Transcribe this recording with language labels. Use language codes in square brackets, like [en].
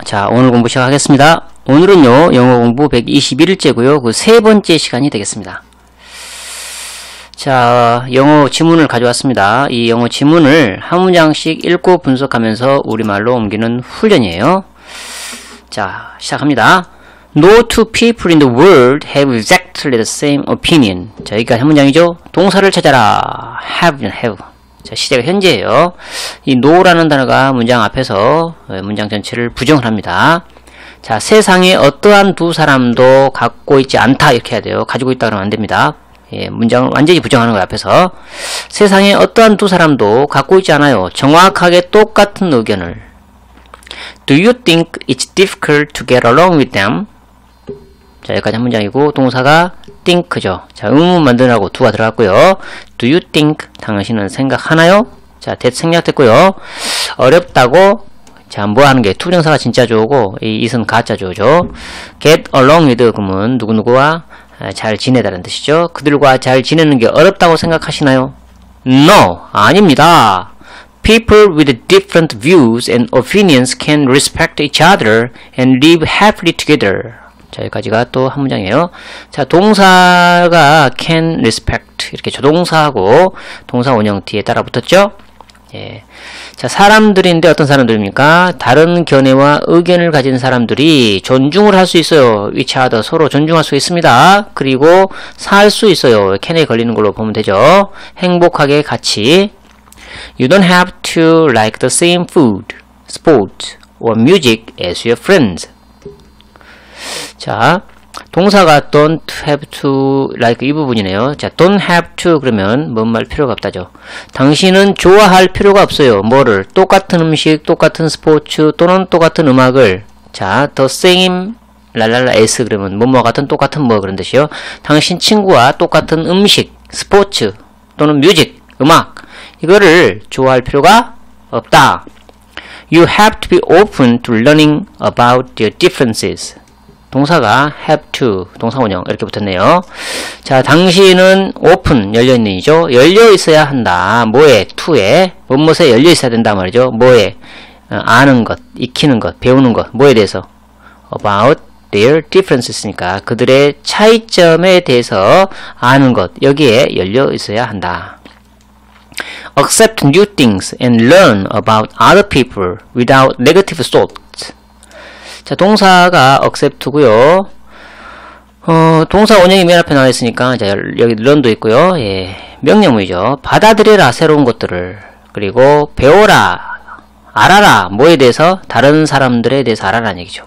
[ko] 자, 오늘 공부 시작하겠습니다. 오늘은요, 영어 공부 121일째고요. 그 세 번째 시간이 되겠습니다. 자, 영어 지문을 가져왔습니다. 이 영어 지문을 한 문장씩 읽고 분석하면서 우리말로 옮기는 훈련이에요. 자, 시작합니다. [en] No two people in the world have exactly the same opinion. [ko] 자, 여기까지 한 문장이죠. 동사를 찾아라. Have. 자, 시제가 현재예요. 이 no라는 단어가 문장 앞에서 문장 전체를 부정을 합니다. 자, 세상에 어떠한 두 사람도 갖고 있지 않다 이렇게 해야 돼요. 가지고 있다 그러면 안 됩니다. 예, 문장을 완전히 부정하는 거예요. 앞에서 세상에 어떠한 두 사람도 갖고 있지 않아요. 정확하게 똑같은 의견을. [en] Do you think it's difficult to get along with them? [ko] 자, 여기까지 한 문장이고 동사가 think죠. 자, 의문 만드느라고 두가 들어갔고요. [en] Do you think [ko] 당신은 생각하나요? 자, 대체 생략됐고요. 어렵다고. 자, 뭐하는 게 투정사가 진짜조고 이 is은 가짜조죠. [en] Get along with [ko] 그러면 누구누구와 잘 지내다는 뜻이죠. 그들과 잘 지내는 게 어렵다고 생각하시나요? No, 아닙니다. [en] People with different views and opinions can respect each other and live happily together. [ko] 자, 여기까지가 또 한 문장이에요. 자, 동사가 can respect 이렇게 조동사하고 동사 원형 뒤에 따라 붙었죠. 예. 자, 사람들인데 어떤 사람들입니까? 다른 견해와 의견을 가진 사람들이 존중을 할 수 있어요. [en] Each other [ko] 서로 존중할 수 있습니다. 그리고 살 수 있어요. can에 걸리는 걸로 보면 되죠. 행복하게 같이. [en] You don't have to like the same food, sport, or music as your friends. [ko] 자, 동사가 [en] don't have to like [ko] 이 부분이네요. 자, [en] don't have to [ko] 그러면 뭔 말 필요가 없다죠. 당신은 좋아할 필요가 없어요. 뭐를? 똑같은 음식, 똑같은 스포츠, 또는 똑같은 음악을. 자, the same 랄랄라 s 그러면 뭐뭐와 같은 똑같은 뭐 그런 뜻이요. 당신 친구와 똑같은 음식, 스포츠, 또는 뮤직, 음악 이거를 좋아할 필요가 없다. [en] You have to be open to learning about your differences. [ko] 동사가 have to, 동사 원형 이렇게 붙었네요. 자, 당신은 open, 열려있는이죠. 열려있어야 한다. 뭐에? to에. 뭐뭐에 열려있어야 된다 말이죠. 뭐에? 아는 것, 익히는 것, 배우는 것. 뭐에 대해서? [en] about their differences [ko] 니까 그들의 차이점에 대해서 아는 것. 여기에 열려있어야 한다. [en] accept new things and learn about other people without negative thoughts. [ko] 자, 동사가 accept고요. 동사 원형이 맨 앞에 나와 있으니까 자, 여기 learn도 있고요. 예, 명령문이죠. 받아들여라 새로운 것들을. 그리고 배워라, 알아라. 뭐에 대해서? 다른 사람들에 대해서 알아라는 얘기죠.